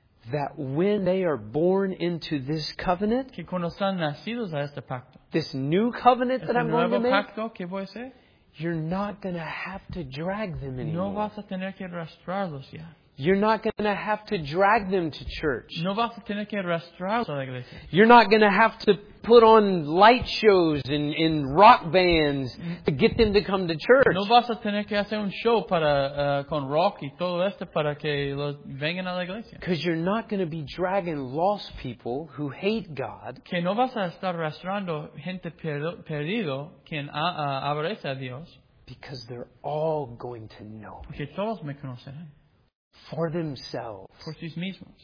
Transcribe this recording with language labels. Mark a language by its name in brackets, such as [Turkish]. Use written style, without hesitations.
[English] That when they are born into this covenant. [Spanish] Que cuando están nacidos a este pacto. [English] This new covenant that I'm going to make. [Spanish] Pacto que voy a hacer, [English] you're not going to have to drag them anymore. [Spanish] No vas a tener que arrastrarlos ya. [English] You're not going to have to drag them to church. [Spanish] No vas a tener que arrastrarlos a la iglesia. [English] You're not going to have to put on light shows and rock bands to get them to come to church. [Spanish] No vas a tener que hacer un show para con rock y todo esto para que los vengan a la iglesia. [English] Because you're not going to be dragging lost people who hate God. [Spanish] Que no vas a estar arrastrando gente perdido quien aborrece a Dios. [English] Because they're all going to know. [Spanish] Porque todos me conocerán. [English] For themselves. [Spanish] Por sí mismos.